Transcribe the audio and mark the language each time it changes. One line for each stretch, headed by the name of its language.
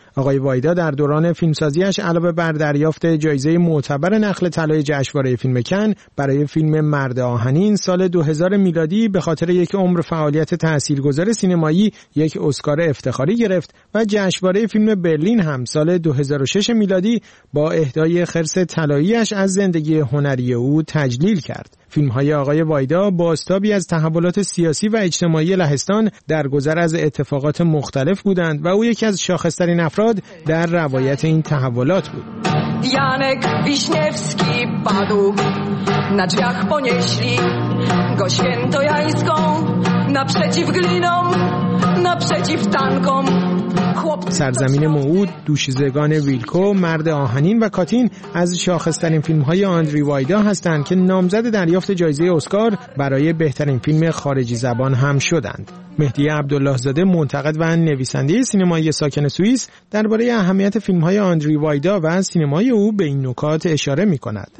Persian: آقای وایدا در دوران فیلمسازیش علاوه بر دریافت جایزه معتبر نخل طلای جشنواره فیلم کن، برای فیلم مرد آهنین سال 2000 میلادی به خاطر یک عمر فعالیت تأثیرگذار سینمایی یک اسکار افتخاری گرفت و جشنواره فیلم برلین هم سال 2006 میلادی با اهدای خرس طلاییش از زندگی هنری او تجلیل کرد. فیلم‌های آقای وایدا بازتابی از تحولات سیاسی و اجتماعی لهستان در گذر از اتفاقات مختلف بودند و او یکی از شاخص‌ترین افراد در روایت این تحولات بود.
Polish: Janek Wiśniewski padł na drzwiach ponieśli go świętojańską naprzeciw glinom naprzeciw tankom.
Persian: سرزمین موعود، دوشیزگان ویلکو، مرد آهنین و کاتین از شاخص‌ترین فیلم‌های آندری وایدا هستند که نامزد دریافت جایزه اسکار برای بهترین فیلم خارجی زبان هم شدند. مهدی عبدالله زاده، منتقد و نویسنده سینمایی ساکن سوئیس، درباره اهمیت فیلم‌های آندری وایدا و سینمای او به این نکات اشاره می‌کند.